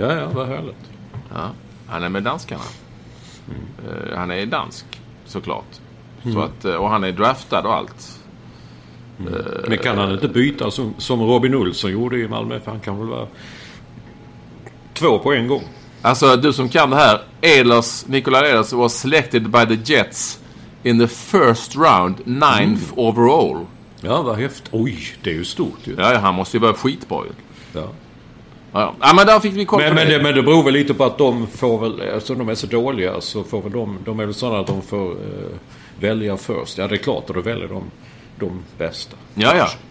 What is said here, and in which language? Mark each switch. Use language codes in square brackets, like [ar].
[sv] Ja, ja, vad härligt. Ja, han är med danskarna. Han är dansk, såklart. Så att, och han är draftad och allt. Men kan han inte byta som Robin Olsson gjorde i Malmö? För han kan väl vara två på en gång. Alltså du som kan det här, [en] Ehlers, Nikola Ehlers was selected by the Jets in the first round, ninth overall. [sv] Ja, vad häftigt. Oj, det är ju stort ju. Ja, han måste ju vara skitbra ju. Ja. Ja, men där fick vi kort. Men det beror väl lite på att de får väl, alltså de är så dåliga, så får väl de är väl sådana att de får välja först. Ja, det är klart att de väljer de bästa. Ja, ja.